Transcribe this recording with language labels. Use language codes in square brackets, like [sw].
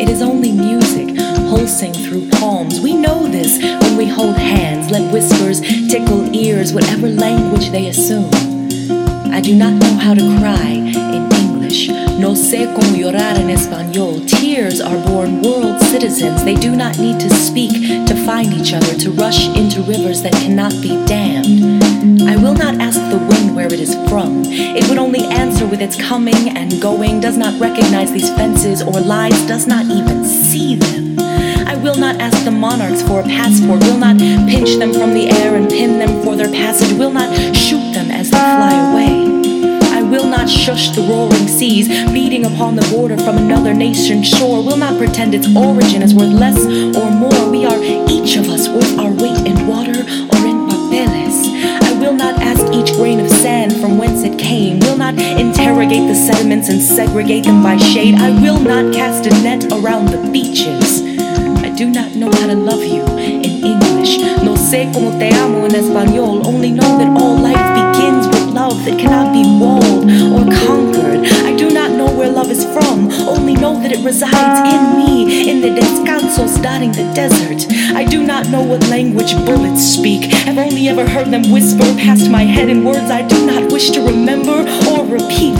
[en] It is only music pulsing through palms. We know this when we hold hands, let whispers tickle ears, whatever language they assume. I do not know how to cry in English. [es] No sé cómo llorar en español. [en] Tears are born world citizens. They do not need to speak to find each other, to rush into rivers that cannot be dammed. I will not ask the wind where it is from. It would only answer with its coming and going, does not recognize these fences or lines, does not even see them. I will not ask the monarchs for a passport, will not pinch them from the air and pin them for their passage, will not shoot them as they fly away. I will not shush the roaring seas beating upon the border from another nation's shore, will not pretend its origin is worth less or more. We are each of us worth our weight in water or in papeles. I will not ask each grain of sand from whence it came, will not interrogate the sediments and segregate them by shade. I will not cast a net around the beaches. Do not know how to love you in English. [es] No sé cómo te amo en español. [en] Only know that all life begins with love that cannot be walled or conquered. I do not know where love is from. Only know that it resides in me, in the descansos dotting the desert. I do not know what language bullets speak. I've only ever heard them whisper past my head in words I do not wish to remember or repeat.